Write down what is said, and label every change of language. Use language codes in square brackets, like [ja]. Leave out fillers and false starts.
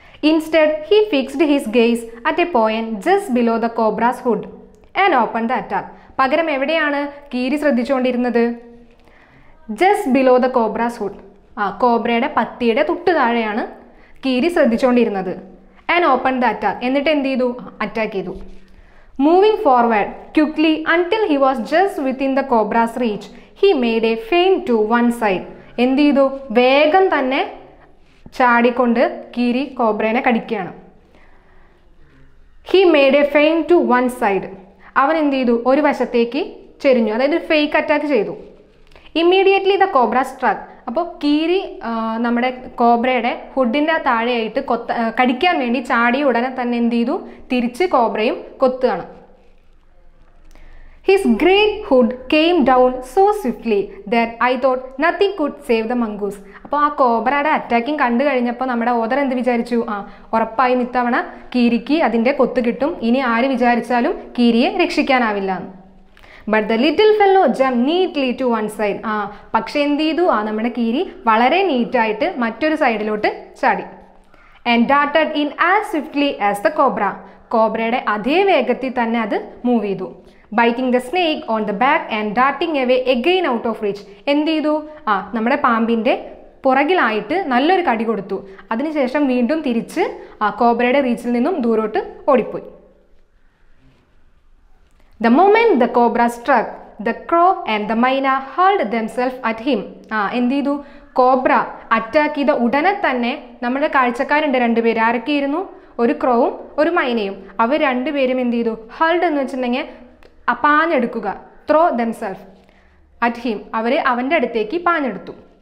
[en] Instead he fixed his gaze at a point just below the cobra's hood and open the attack. [ml] പകരം എവിടെയാണ് കീരി ശ്രദ്ധിച്ചുകൊണ്ടിരുന്നത്, [en] just below the cobra's hood, [ml] കോബ്രയുടെ പത്തിയുടെ തൊട്ട് താഴെയാണ് കീരി ശ്രദ്ധിച്ചുകൊണ്ടിരുന്നത്. [en] and open the attack, [ml] എന്നിട്ട് എന്ത് ചെയ്തു, അറ്റാക്ക് ചെയ്തു. [en] Moving forward quickly until he was just within the cobra's reach, he made a feint to one side. [ml] എന്തിയോ വേഗം തന്നെ ചാടിക്കൊണ്ട് കീരി കോബ്രേനെ കടിക്കുകയാണ്. [en] He made a feint to one side. [ml] അവൻ എന്ത് ചെയ്തു, ഒരു വശത്തേക്ക് ചെരിഞ്ഞു, അതായത് ഫേക്ക് അറ്റാക്ക് ചെയ്തു. [en] Immediately the cobra struck. [ml] അപ്പോൾ കീരി നമ്മുടെ കോബ്രയുടെ ഹുഡിൻ്റെ താഴെയായിട്ട് കൊത്ത കടിക്കാൻ വേണ്ടി ചാടിയ ഉടനെ തന്നെ എന്ത് ചെയ്തു, തിരിച്ച് കോബ്രയും കൊത്തുകയാണ്. [en] His great hood came down so swiftly that I thought nothing could save the mongoose. [ml] അപ്പോൾ ആ കോബ്രയുടെ അറ്റാക്കിങ് കണ്ടു കഴിഞ്ഞപ്പോൾ നമ്മുടെ ഓദർ എന്ത് വിചാരിച്ചു, ഉറപ്പായും ഇത്തവണ കീരിക്ക് അതിൻ്റെ കൊത്ത് കിട്ടും, ഇനി ആര് വിചാരിച്ചാലും കീരിയെ രക്ഷിക്കാനാവില്ല. [en] But the little fellow jumped neatly to one side. [ml] പക്ഷേ എന്ത് ചെയ്തു, നമ്മുടെ കീരി വളരെ നീറ്റായിട്ട് മറ്റൊരു സൈഡിലോട്ട് ചാടി. [en] And darted in as swiftly as the cobra. [ml] കോബ്രയുടെ അതേ വേഗത്തിൽ തന്നെ അത് മൂവ് ചെയ്തു. [en] Biting the snake on the back and darting away again out of reach. [ml] എന്ത് ചെയ്തു, നമ്മുടെ പാമ്പിൻ്റെ പുറകിലായിട്ട് നല്ലൊരു കടി കൊടുത്തു. അതിനുശേഷം വീണ്ടും തിരിച്ച് കോബ്രയുടെ റീച്ചിൽ നിന്നും ദൂരോട്ട് ഓടിപ്പോയി. [en] The moment the cobra struck, the crow and the myna hurled themselves at him. [ml] എന്ത് ചെയ്തു, കോബ്ര അറ്റാക്ക് ചെയ്ത ഉടനെ തന്നെ നമ്മുടെ കാഴ്ചക്കാരുണ്ട് രണ്ടുപേര്, ആരൊക്കെയായിരുന്നു, ഒരു ക്രോവും ഒരു മൈനയും. അവർ രണ്ടുപേരും എന്ത് ചെയ്തു, ഹൾഡ് എന്ന് വെച്ചിട്ടുണ്ടെങ്കിൽ അപ്പാഞ്ഞെടുക്കുക, [en] throw themself at him, [ml] അവരെ അവൻ്റെ അടുത്തേക്ക് പാഞ്ഞെടുത്തു.